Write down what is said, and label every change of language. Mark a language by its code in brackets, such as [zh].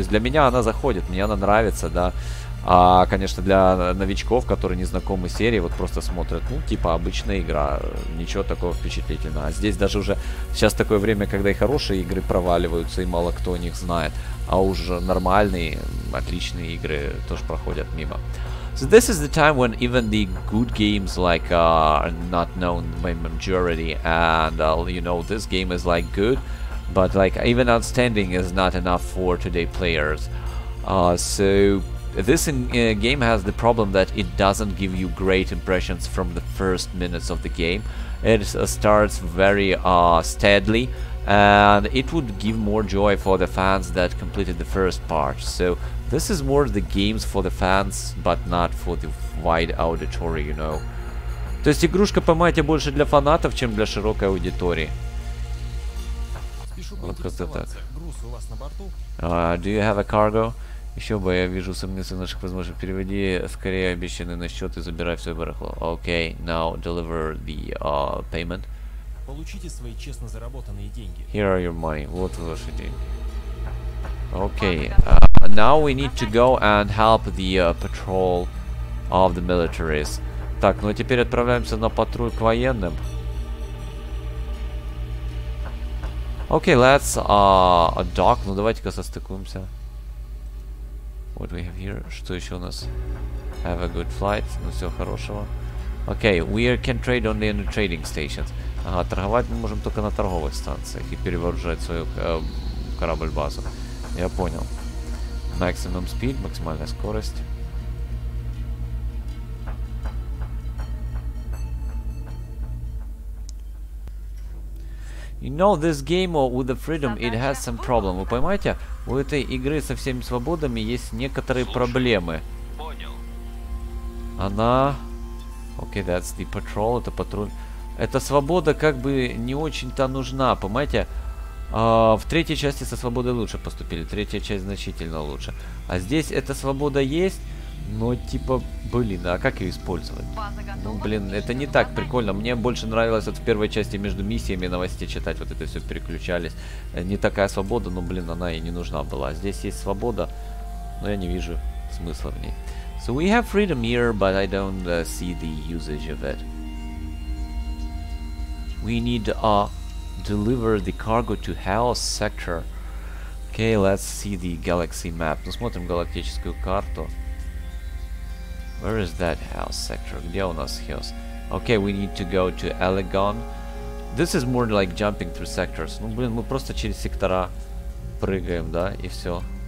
[ru] То есть для меня она заходит, мне она нравится, да. А, конечно, для новичков, которые не знакомы с серией, вот просто смотрят, ну, типа, обычная игра, ничего такого впечатлительного. А здесь даже уже сейчас такое время, когда и хорошие игры проваливаются, и мало кто о них знает. А уж нормальные, отличные игры тоже проходят мимо. [en] So this is the time when even the good games like are not known by majority, and you know, this game is like good, but like even outstanding is not enough for today players. So this game has the problem that it doesn't give you great impressions from the first minutes of the game. It starts very steadily. And it would give more joy for the fans that completed the first part. So this is more the games for the fans, but not for the wide auditory, you know. [ru] То есть игрушка, понимаете, больше для фанатов, чем для широкой аудитории. Спешу груз у вас на борту? [en] Do you have a cargo? [ru] Еще бы, я вижу сомнения в наших возможностях. Переводи скорее обещанный на счет и забирай все барахло. [en] Okay, now deliver the payment. [ru] Получите свои честно заработанные деньги. [en] Here are your money. [ru] Вот ваши деньги. [en] Okay, now we need to go and help the patrol of the militaries. [ru] Так, ну а теперь отправляемся на патруль к военным. [en] Okay, let's dock. [ru] Ну давайте-ка состыкуемся. [en] What we have here? [ru] Что еще у нас? [en] Have a good flight. [ru] Ну все хорошего. [en] Okay, we can trade only in the trading stations. [ru] Ага, торговать мы можем только на торговых станциях и перевооружать свою корабль-базу. Я понял. [en] Maximum speed, [ru] максимальная скорость. [en] You know, this game with the freedom, it has some problem. [ru] Вы понимаете, у этой игры со всеми свободами есть некоторые проблемы. Понял. Она... [en] Okay, that's the patrol, [ru] это патруль. Эта свобода как бы не очень-то нужна, понимаете? В третьей части со свободой лучше поступили, третья часть значительно лучше. А здесь эта свобода есть... Но типа, блин, а как ее использовать? Ну, блин, это не так прикольно. Мне больше нравилось вот в первой части между миссиями новости читать, вот это все переключались. Не такая свобода, но, блин, она и не нужна была. Здесь есть свобода, но я не вижу смысла в ней. [en] So we have freedom here, but I don't see the usage of it. We need to deliver the cargo to Hell's Sector. Okay, let's see the galaxy map. [ru] Ну, смотрим галактическую карту. [en] Where is that Hell's Sector? [ru] Где у нас Hell's? [en] Okay, we need to go to Elegon. This is more like jumping through sectors. [ru] Ну, блин, мы просто через сектора прыгаем, да, и все.